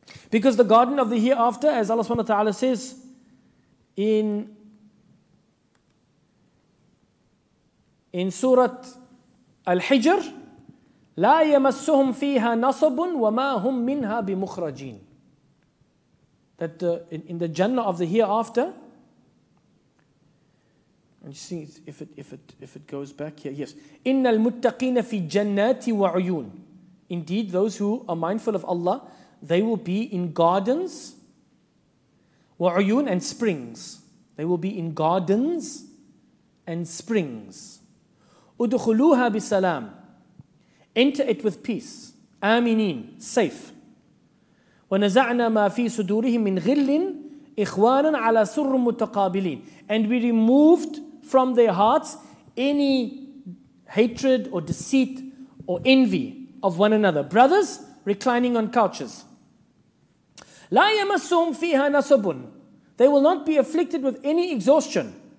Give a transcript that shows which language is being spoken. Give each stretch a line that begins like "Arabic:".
English: Because the garden of the hereafter, as Allah subhanahu wa ta'ala says in Surah Al-Hijr,
Arabic: لا يمسهم فيها نصب وما هم منها بمخرجين.
English: That in the Jannah of the hereafter, and you see if it goes back here, yes.
Arabic: إن المتقين في جنات وعيون.
English: Indeed, those who are mindful of Allah, they will be in gardens, وعيون, and springs. They will be in gardens and springs.
Arabic: أدخلوها بسلام.
English: Enter it with peace. آمينين, safe.
Arabic: ونزعنا ما في صدورهم من غل إخوانا على سر متقابلين.
English: And we removed from their hearts any hatred or deceit or envy of one another. Brothers reclining on couches.
Arabic: لا يمسهم فيها نصب.
English: They will not be afflicted with any exhaustion.